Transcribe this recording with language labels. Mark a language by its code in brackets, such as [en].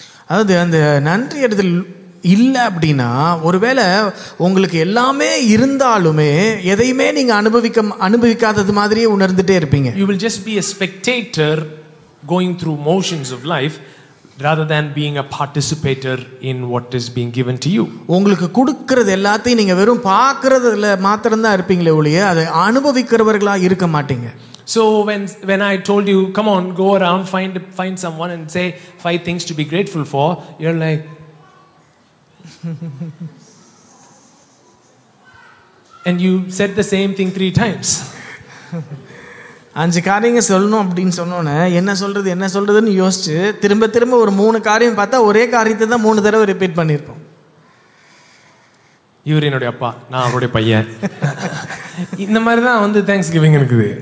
[ta] அதாவது அந்த நன்றி எடுத்தல் இல்லை அப்படின்னா ஒருவேளை உங்களுக்கு எல்லாமே இருந்தாலுமே எதையுமே நீங்க அனுபவிக்காதது மாதிரியே உணர்ந்துட்டே இருப்பீங்க. [en] You will just be a spectator going through motions of life rather than being a participator in what is being given to you. [ta] உங்களுக்கு கொடுக்கிறது எல்லாத்தையும் நீங்க வெறும் பார்க்கறதுல மாத்திரம் தான் இருப்பீங்களே ஒழிய அதை அனுபவிக்கிறவர்களா இருக்க மாட்டீங்க. [en] So when I told you, come on, go around, find someone and say 5 things to be grateful for, you're like, and you said the same thing 3 times. [ta] அஞ்சு காரியங்க சொல்லணும் அப்படின்னு சொன்னோன்ன என்ன சொல்றது என்ன சொல்றதுன்னு யோசிச்சு திரும்ப திரும்ப ஒரு 3 காரியம் பார்த்தா ஒரே காரியத்தை தான் 3 தடவை ரிப்பீட் பண்ணிருப்போம். இவர் என்னுடைய அப்பா, நான் அவருடைய பையன். இந்த மாதிரி தான் வந்து தேங்க்ஸ் கிவிங் இருக்குது.